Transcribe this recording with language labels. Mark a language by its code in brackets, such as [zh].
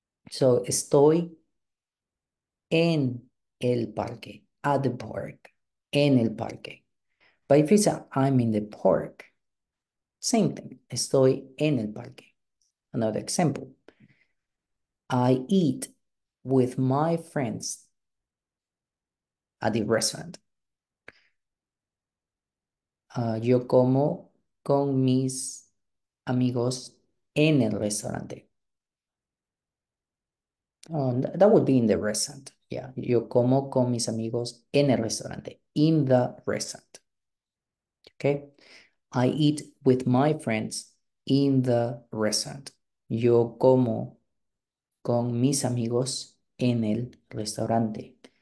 [es] So, estoy en el parque, [en] at the park, [es] en el parque. [en] But if you say, I'm in the park, same thing, [es] estoy en el parque. [en] Another example, I eat with my friends at the restaurant. [es] Yo como con mis amigos en el restaurante. [en] That would be in the restaurant. [es] Yeah. Yo como con mis amigos en el restaurante. [en] In the restaurant. Okay. I eat with my friends in the restaurant. [es] Yo como con mis amigos en el restaurante.